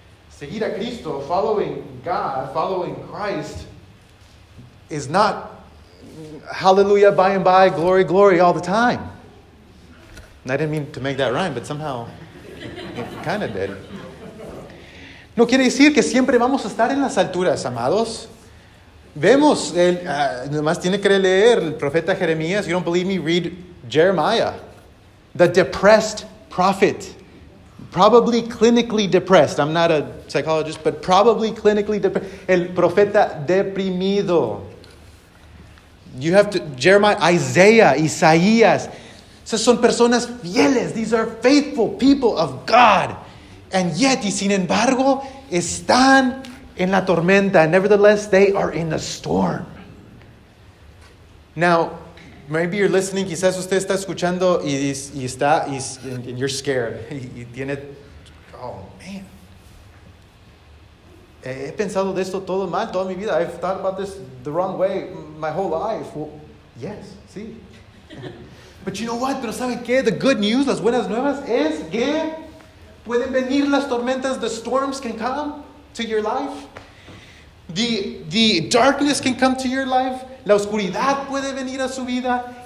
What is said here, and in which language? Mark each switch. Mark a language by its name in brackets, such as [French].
[Spanish] Seguir a Cristo, [English] following God, following Christ, is not hallelujah, by and by, glory, glory, all the time. And I didn't mean to make that rhyme, but somehow it kind of did. [Spanish] No quiere decir que siempre vamos a estar en las alturas, amados. Vemos, nomás tiene que leer el profeta Jeremías. [English] You don't believe me, read Jeremiah. The depressed prophet, probably clinically depressed. I'm not a psychologist, but probably clinically depressed. [Spanish] El profeta deprimido. [English] You have to, Jeremiah, Isaiah, Isaías. [Spanish] Esas son personas fieles. [English] These are faithful people of God. And yet, [Spanish] y sin embargo, están en la tormenta. [English] Nevertheless, they are in the storm. Now, maybe you're listening, [Spanish] quizás usted está escuchando [English] y you're scared. [Spanish] Y tiene, [English] oh man. [Spanish] He pensado de esto todo mal, toda mi vida. [English] I've thought about this the wrong way my whole life. Well, yes, sí. But you know what? [Spanish] Pero ¿sabe qué? [English] The good news, [Spanish] las buenas nuevas, es que pueden venir las tormentas, [English] the storms can come to your life. The darkness can come to your life. [Spanish] La oscuridad puede venir a su vida.